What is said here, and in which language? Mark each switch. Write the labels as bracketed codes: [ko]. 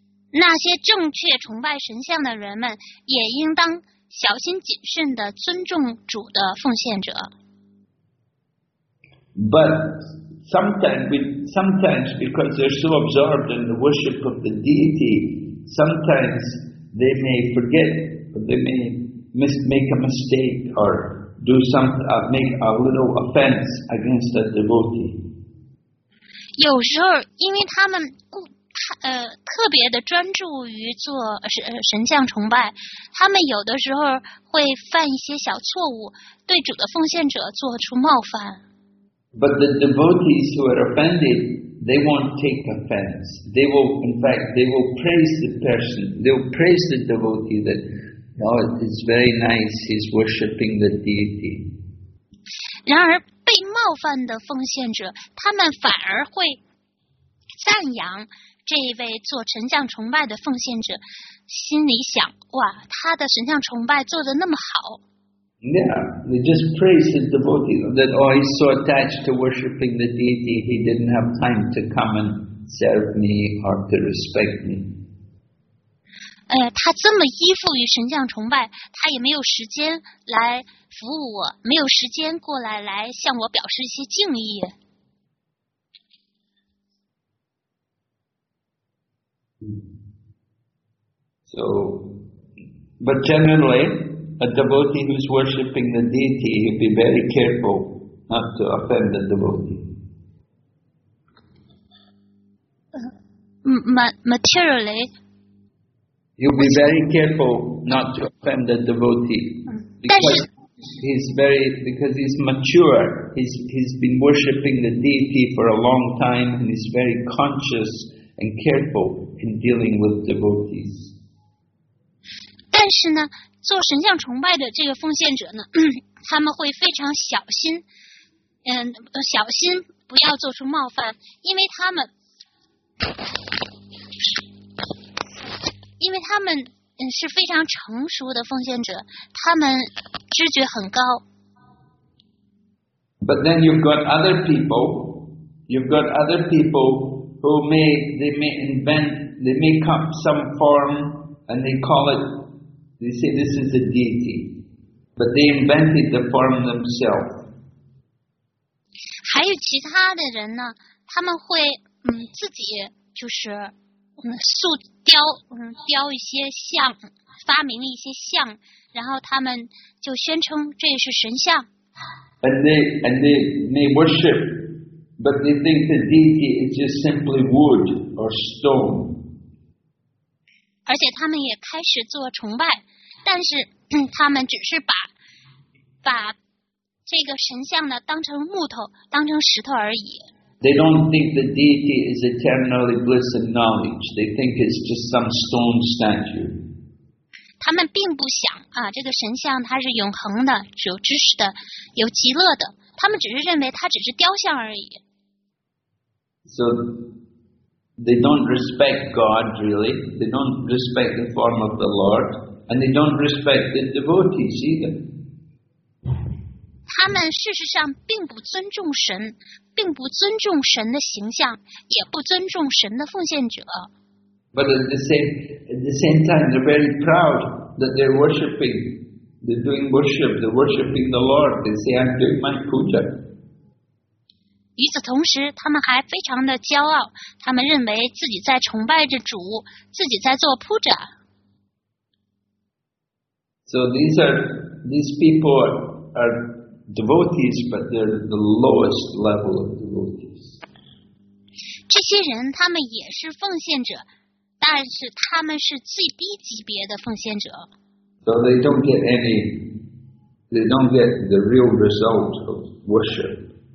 [zh] 那些正确崇拜神像的人们也应当小心谨慎地尊重主的奉献者。 [en] But sometimes because they're so absorbed in the worship of the deity, sometimes they may forget. They may make a mistake or do something, make a little offense against a devotee. [zh] 有时候，因为他们特别的专注于做神像崇拜，他们有的时候会犯一些小错误，对主的奉献者做出冒犯。 [en] But the devotees who are offended, they won't take offense. They will, in fact, they will praise the person. They will praise the devotee that. Oh, it's very nice. He's worshipping the deity. [zh] 然而被冒犯的奉献者，他们反而会赞扬这一位做神像崇拜的奉献者，心里想：哇，他的神像崇拜做得那么好。 [en] Yeah, they just praise the devotee that oh, he's so attached to worshipping the deity. He didn't have time to come and serve me or to respect me. [zh] 他这么依附于神像崇拜，他也没有时间来服务我，没有时间过来来向我表示一些敬意。 [en] So, but generally, a devotee who's worshipping the deity, he'd be very careful not to offend the devotee. materially, you be very careful not to offend the devotee. Because he's mature. He's been worshipping the deity for a long time, and he's very conscious and careful in dealing with devotees. [zh] 但是呢，做神像崇拜的这个奉献者呢，他们会非常小心，小心不要做出冒犯，因为他们是非常成熟的奉献者，他们知觉很高。 [en] But then you've got other people who make up some form and they call it. They say this is a deity, but they invented the form themselves. [zh] 还有其他的人呢，他们会自己就是塑雕雕一些像，发明一些像，然后他们就宣称这也是神像。 [en] And they may worship, but they think the deity is just simply wood or stone. [zh] 而且他们也开始做崇拜。但是他们只是把这个神像呢当成木头，当成石头而已。 [en] They don't think the deity is eternally bliss and knowledge. They think it's just some stone statue. [zh] 他们并不想啊，这个神像它是永恒的，是有知识的，有极乐的。他们只是认为它只是雕像而已。 [en] So they don't respect God really. They don't respect the form of the Lord. And they don't respect the devotees either. [zh] 他们事实上并不尊重神，并不尊重神的形象，也不尊重神的奉献者。 [en] But at the same time, they're very proud that they're worshiping. They're doing worship. They're worshiping the Lord. They say, "I'm doing my puja." [zh] 与此同时，他们还非常的骄傲，他们认为自己在崇拜着主，自己在做 puja。 [en] So these people are devotees, but they're the lowest level of devotees. [zh] 这些人他们也是奉献者，但是他们是最低级别的奉献者。 [en] So they don't get the real result of worship.